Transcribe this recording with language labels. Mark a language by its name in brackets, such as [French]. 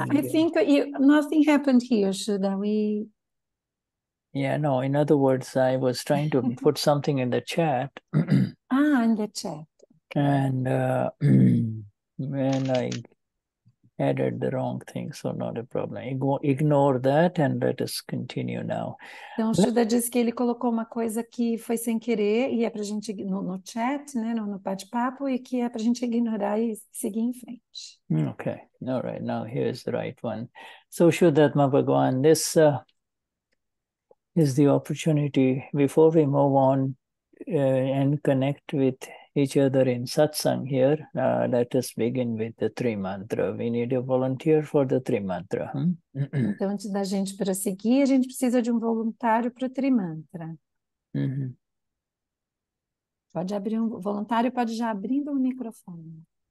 [English] I think nothing happened here, Shuddha. We Yeah, no, in other words, I was trying to put something in the chat in the chat. Okay. And when I added the wrong thing, so not a problem. Ignore that and let us continue now. [Portuguese] Então, o Shuddha disse que ele colocou uma coisa que foi sem querer e é para a gente no chat, né, no bate-papo, e que é para a gente ignorar e seguir em frente. [English] Okay, all right, now here's the right one. So, Shuddhatma Bhagwan, this is the opportunity before we move on and connect with each other in satsang here. Let us begin with the three mantra. We need a volunteer for the three mantra. [Portuguese] Então, antes da gente prosseguir, a gente precisa de um voluntário para o Trimantra. Pode abrir um voluntário, pode já abrir o microfone.